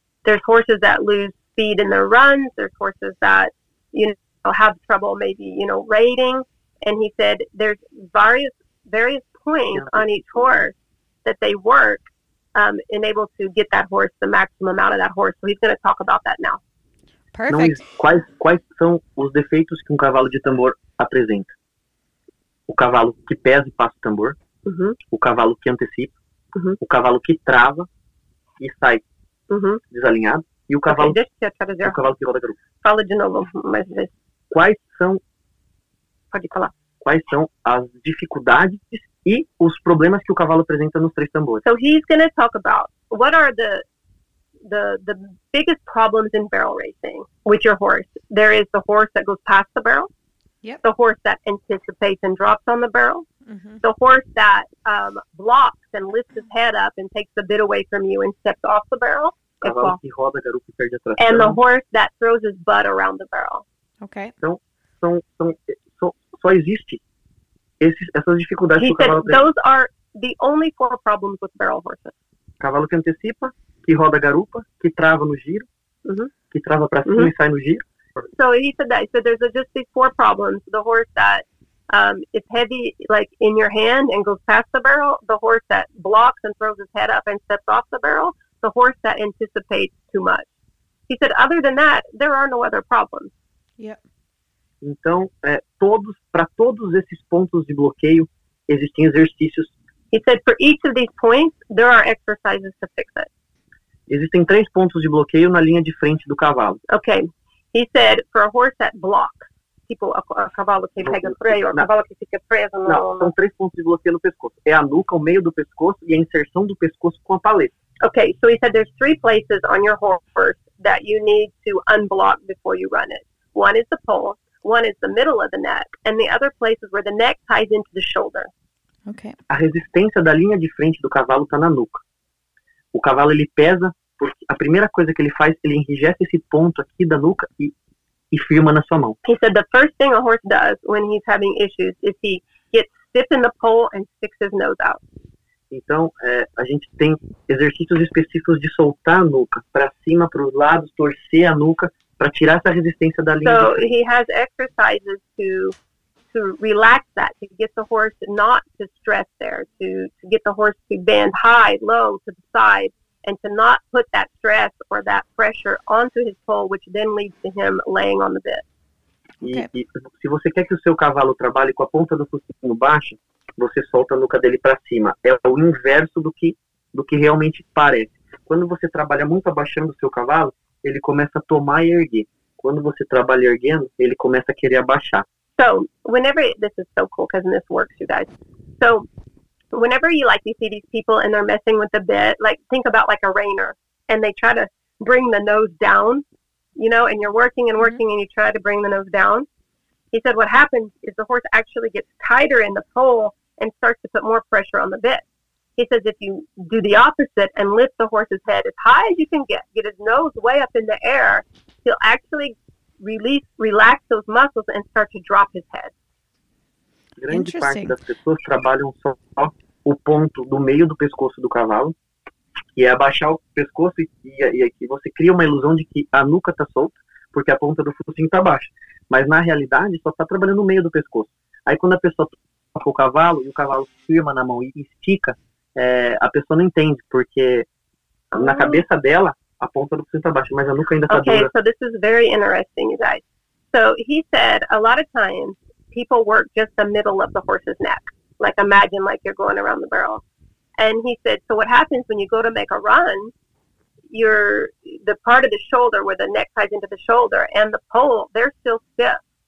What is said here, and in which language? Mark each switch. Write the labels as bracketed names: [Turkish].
[English] There's horses that lose speed in their runs. There's horses that, you know, have trouble maybe, you know, rating. And he said there's various points on each horse that they work and able to get that horse the maximum out of that horse. So he's going to talk about that now. Perfect. [Portuguese] Quais são os defeitos que um cavalo de tambor apresenta? O cavalo que pesa e passa o tambor. o cavalo que antecipa, o cavalo que trava e sai desalinhado, e o cavalo, o cavalo que roda grupo. Fala de novo, mais uma vez. Quais são... Pode falar. Quais são as dificuldades e os problemas que o cavalo apresenta nos três tambores? [English] So he's going to talk about what are the biggest problems in barrel racing with your horse. There is the horse that goes past the barrel, the horse that anticipates and drops on the barrel, the horse that blocks and lifts his head up and takes a bit away from you and steps off the barrel, and the horse that throws his butt around the barrel. Okay. [Portuguese] Então, só existe essas dificuldades que o cavalo tem. [English] Those are the only four problems with barrel horses. [Portuguese] Cavalo que antecipa, que roda a garupa, que trava no giro, que trava para cima e sai no giro. [English] So he said that. He said there's just these four problems. The horse that is heavy, like, in your hand and goes past the barrel. The horse that blocks and throws his head up and steps off the barrel. The horse that anticipates too much. He said, other than that, there are no other problems. Yep. [Portuguese] Então, para todos esses pontos de bloqueio, existem exercícios. [English] He said, for each of these points, there are exercises to fix it. [Portuguese] Existem três pontos de bloqueio na linha de frente do cavalo. [English] Okay. He said, for a horse that blocks, [Portuguese] tipo, a cavalo que pega o freio, a cavalo que fica preso no... Não, são três pontos de bloqueio no pescoço. É a nuca, o meio do pescoço e a inserção do pescoço com a paleta. [English] Okay, so he said there's three places on your horse that you need to unblock before you run it. One is the pole, one is the middle of the neck, and the other place is where the neck ties into the shoulder. Okay. [Portuguese] A resistência da linha de frente do cavalo tá na nuca. O cavalo, ele pesa, porque a primeira coisa que ele faz, ele enrijece esse ponto aqui da nuca e firma na sua mão. [English] He said the first thing a horse does when he's having issues is he gets stiff in the pole and sticks his nose out. [Portuguese] Então, a gente tem exercícios específicos de soltar a nuca para cima, para os lados, torcer a nuca para tirar essa resistência da linha. [English] So he has exercises to relax that, to get the horse not to stress there, to get the horse to bend high, low, to the side, and to not put that stress or that pressure onto his pole, which then leads to him laying on the bit. [Portuguese] E se você quer que o seu cavalo trabalhe com a ponta do focinho baixa, você solta a nuca dele para cima. É o inverso do que realmente parece. Quando você trabalha muito abaixando o seu cavalo, ele começa a tomar e erguer. Quando você trabalha erguendo, ele começa a querer abaixar. [English] So, whenever... This is so cool, because this works, you guys. So, whenever you, like, you see these people and they're messing with the bit, like, think about, like, a reiner, and they try to bring the nose down, you know, and you're working and working, and you try to bring the nose down. He said what happens is the horse actually gets tighter in the pole and starts to put more pressure on the bit. He says if you do the opposite and lift the horse's head as high as you can get his nose way up in the air, he'll actually relax those muscles and start to drop his head. [Portuguese] Grande parte das pessoas trabalham só o ponto do meio do pescoço do cavalo, que é abaixar o pescoço e aqui você cria uma ilusão de que a nuca está solta porque a ponta do focinho está baixa. Mas na realidade, só está trabalhando no meio do pescoço. Aí quando a pessoa toca o cavalo e o cavalo firma na mão e estica, a pessoa não entende, porque na cabeça dela, a ponta do cinto está baixa, mas a nuca ainda está dura. [English] Okay, so this is very interesting, you guys. So he said, a lot of times, people work just the middle of the horse's neck. Like, imagine, like, you're going around the barrel. And he said, so what happens when you go to make a run, you're the part of the shoulder where the neck ties into the shoulder and the pole, they're still stiff.